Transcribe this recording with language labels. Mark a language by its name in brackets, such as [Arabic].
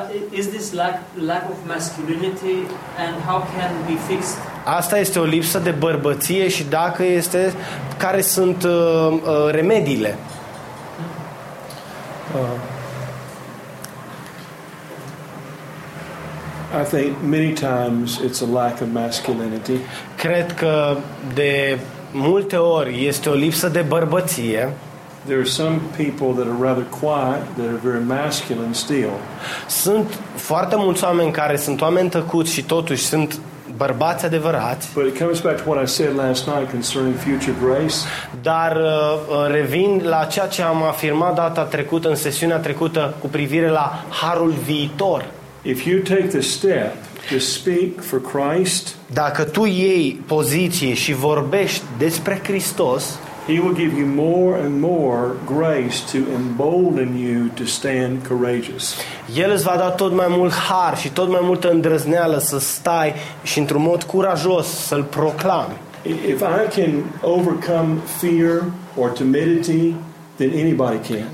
[English] Is this lack of masculinity and how can we fix it? [Romanian] Asta este o lipsă de bărbăție și dacă este, care sunt remediile? [English] I think many times it's a lack of masculinity. [Romanian] Cred că de multe ori este o lipsă de bărbăție. [English] There are some people that are rather quiet, that are very masculine still. [Romanian] Sunt foarte mulți oameni care sunt oameni tăcuți și totuși sunt bărbați adevărați. [English] But it comes back to what I said last night concerning future grace. [Romanian] Dar revin la ceea ce am afirmat data trecută în sesiunea trecută cu privire la harul viitor. [English] If you take the step to speak for Christ, [Romanian] dacă tu iei poziție și vorbești despre Hristos, [English] He will give you more and more grace to embolden you to stand courageous. [Romanian] El îți va da tot mai mult har și tot mai multă îndrăzneală să stai și într-un mod curajos să-l proclami. [English] If I can overcome fear or timidity, then anybody can.